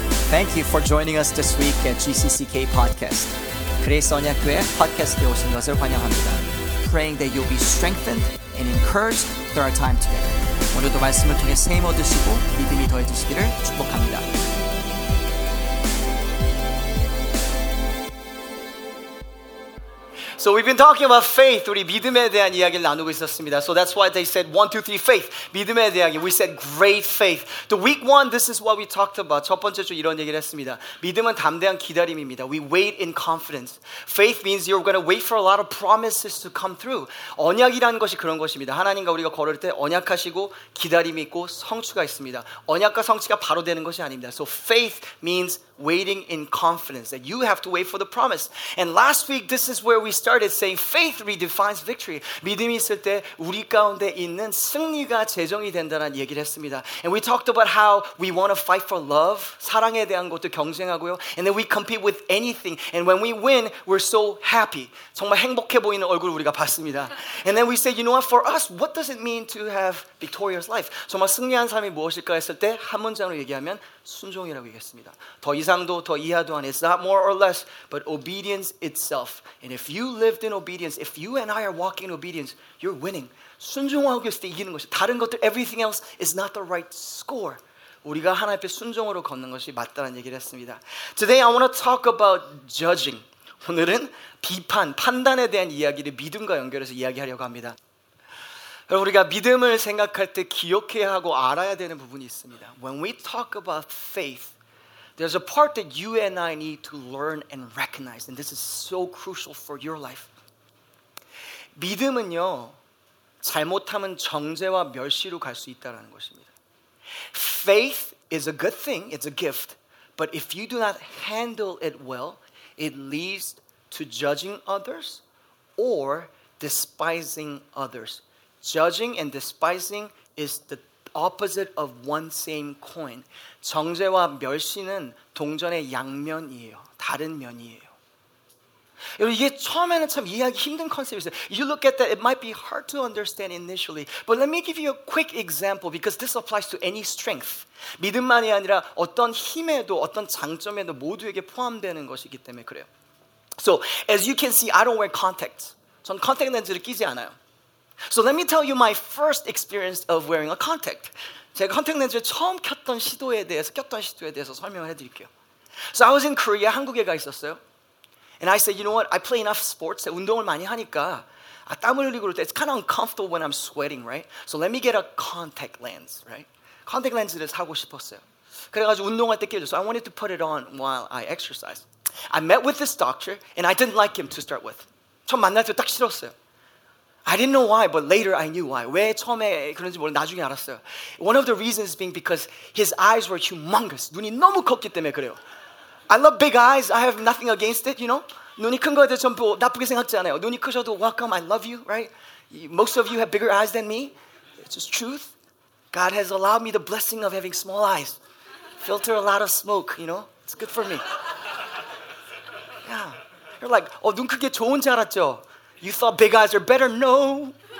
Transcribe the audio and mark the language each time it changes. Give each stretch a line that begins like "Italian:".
English: Thank you for joining us this week at GCCK Podcast.
Korean: 그레이스 언약교회 팟캐스트에 오신 것을 환영합니다.
English: Praying that you'll be strengthened and encouraged through our time together.
Korean: 오늘도 말씀을 통해 세임 얻으시고 믿음이 더해지시기를 축복합니다. 우리 믿음에 대한 이야기를 나누고 있었습니다.
English: So that's why they said 1, 2, 3, faith.
Korean: 믿음에 대한 이야기.
English: We said great faith. The week 1, this is what we talked about.
Korean: 첫 번째 주 이런 얘기를 했습니다. 믿음은 담대한 기다림입니다.
English: We wait in confidence. Faith means you're going to wait for a lot of promises to come through.
Korean: 언약이라는 것이 그런 것입니다. 하나님과 우리가 걸을 때 언약하시고 기다림이 있고 성취가 있습니다. 언약과 성취가 바로 되는 것이 아닙니다.
English: So faith means waiting in confidence that you have to wait for the promise. And last week, this is where we started saying faith redefines victory.
Korean: 믿음이 있을 때 우리 가운데 있는 승리가 재정이 된다는 얘기를 했습니다.
English: And we talked about how we want to fight for love,
Korean: 사랑에 대한 것도 경쟁하고요.
English: And then we compete with anything. And when we win, we're so happy.
Korean: 정말 행복해 보이는 얼굴을 우리가 봤습니다.
English: And then we said, you know what, for us, what does it mean to have victorious life?
Korean: 정말 승리한 삶이 무엇일까 했을 때 한 문장으로 얘기하면 순종이라고 얘기했습니다. 더 이상도 더 이하도 안.
English: It's not more or less, but obedience itself. And if you lived in obedience, if you and I are walking in obedience, you're winning.
Korean: 순종하고 있을 때 이기는 것이. 다른 것들,
English: everything else is not the right score.
Korean: 우리가 하나님 앞에 순종으로 걷는 것이 맞다는 얘기를 했습니다.
English: Today I want to talk about judging.
Korean: 오늘은 비판, 판단에 대한 이야기를 믿음과 연결해서 이야기하려고 합니다. 여러분, 우리가 믿음을 생각할 때 기억해야 하고 알아야 되는 부분이 있습니다.
English: When we talk about faith, there's a part that you and I need to learn and recognize. And this is so crucial for your life.
Korean: 믿음은요, 잘못하면 정죄와 멸시로 갈 수 있다는 것입니다.
English: Faith is a good thing, it's a gift. But if you do not handle it well, it leads to judging others or despising others. Judging and despising is the opposite of one same coin.
Korean: 정죄와 멸시는 동전의 양면이에요. 다른 면이에요. 여러분, 이게 처음에는 참 이해하기 힘든 컨셉이었어요.
English: You look at that, it might be hard to understand initially. But let me give you a quick example because this applies to any strength.
Korean: 믿음만이 아니라 어떤 힘에도 어떤 장점에도 모두에게 포함되는 것이기 때문에 그래요.
English: So, as you can see, I don't wear contacts.
Korean: 전 컨택 렌즈를 끼지 않아요.
English: So let me tell you my first experience of wearing a contact.
Korean: 제가 컨택 렌즈를 처음 켰던 시도에 대해서 설명을 해드릴게요.
English: So I was in Korea,
Korean: 한국에 가 있었어요.
English: And I said, you know what? I play enough sports.
Korean: 운동을 많이 하니까 아, 땀을 흘리고 그럴 때
English: it's kind of uncomfortable when I'm sweating, right? So let me get a contact lens, right?
Korean: 컨택 렌즈를 사고 싶었어요. 그래가지고 운동할 때 끼죠.
English: So I wanted to put it on while I exercise. I met with this doctor and I didn't like him to start with.
Korean: 처음 만날 때 딱 싫었어요.
English: I didn't know why, but later I knew why.
Korean: 왜 처음에 그런지 모르고 나중에 알았어요.
English: One of the reasons being because his eyes were humongous.
Korean: 눈이 너무 컸기 때문에 그래요.
English: I love big eyes. I have nothing against it, you know.
Korean: 눈이 큰 거에 대해서 전부 나쁘게 생각지 않아요. 눈이 크셔도
English: welcome, I love you, right? Most of you have bigger eyes than me. It's just truth. God has allowed me the blessing of having small eyes. Filter a lot of smoke, you know. It's good for me. Yeah. You're like,
Korean: 어, 눈 크게 좋은 줄 알았죠?
English: You thought big eyes are better? No.